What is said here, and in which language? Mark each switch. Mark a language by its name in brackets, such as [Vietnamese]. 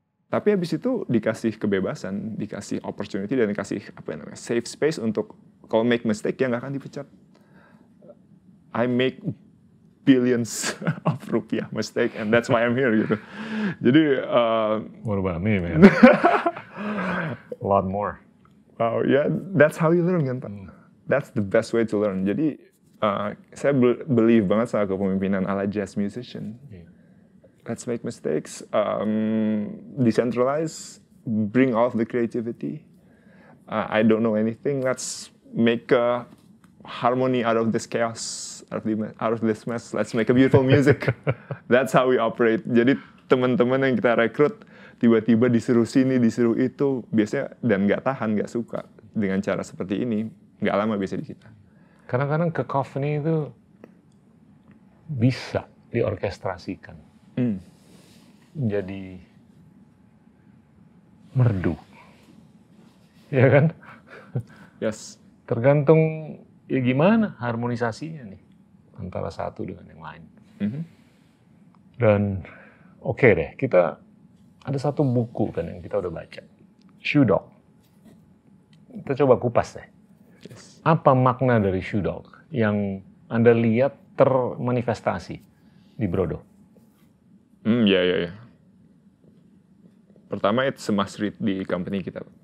[Indonesian] Tapi habis itu dikasih kebebasan, dikasih opportunity, dan dikasih apa namanya, [English] safe space [Indonesian] untuk kalau [English] make mistake, [Indonesian] ya nggak akan dipecat. [English] I make billions of rupiah mistake, and that's why I'm here, [Indonesian] gitu. Jadi, [English] what about me, man? A lot more. Oh, yeah, that's how you learn, [Indonesian] kan, Pak? [English] That's the best way to learn. [Indonesian] Jadi, saya [English] believe [Indonesian] banget sama kepemimpinan ala jazz musician. [English] Let's make mistakes, decentralize, bring off the creativity. I don't know anything, let's make a harmony out of this chaos, out of this mess. Let's make a beautiful music. That's how we operate. [Indonesian] Jadi teman-teman yang kita rekrut tiba-tiba disuruh sini, disuruh itu, biasanya dan nggak tahan, nggak suka dengan cara seperti ini, nggak lama biasanya di kita. Kadang-kadang cacophony itu bisa diorkestrasikan, jadi merdu, ya kan? [English] Yes. [Indonesian] Tergantung. Ya gimana harmonisasinya nih antara satu dengan yang lain. Dan okay deh, kita ada satu buku kan yang kita udah baca, Shoe Dog. Kita coba kupas deh. [English] Yes. [Indonesian] Apa makna dari Shoe Dog yang Anda lihat termanifestasi di Brodo? Ya. Pertama, [English] it's a must read [Indonesian] di [English] company kita.